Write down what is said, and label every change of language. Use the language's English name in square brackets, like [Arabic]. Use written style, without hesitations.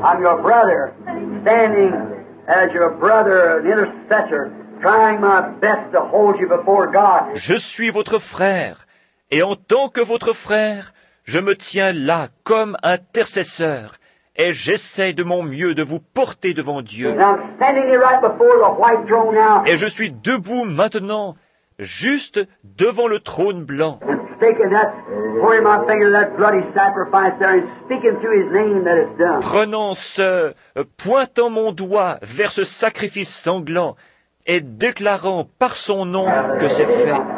[English] I'm your brother, standing as your brother, an intercessor. Trying my best to hold you before God. [French] Je suis votre frère, et en tant que votre frère, je me tiens là comme intercesseur, et j'essaie de mon mieux de vous porter devant Dieu. [English] And I'm standing here right before the white throne now. [French] Et je suis debout maintenant, juste devant le trône blanc. [English] And speaking that, pouring my finger that bloody sacrifice there, and speaking through His name that it's done. [French] Prenant ce, pointant mon doigt vers ce sacrifice sanglant. Et déclarant par son nom que c'est fait.